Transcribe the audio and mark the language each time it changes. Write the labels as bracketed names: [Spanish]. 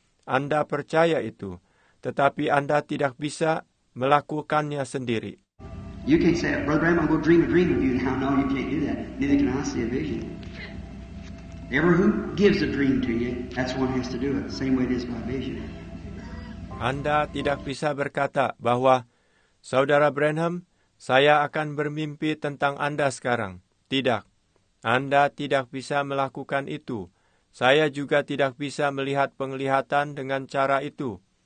[Indonesian] Anda percaya itu, tetapi Anda tidak bisa melakukannya sendiri. [English] You can't say, Brother Branham, I'm going to dream a dream of you now. No, you can't do that. Neither can I see a vision. Ever who gives a dream to you, that's one has to do it. Same way it is by vision. [Indonesian] Anda tidak bisa berkata bahwa, Saudara Branham, saya akan bermimpi tentang Anda sekarang. Tidak. Anda tidak bisa melakukan itu. Saya juga tidak bisa melihat penglihatan dengan cara itu.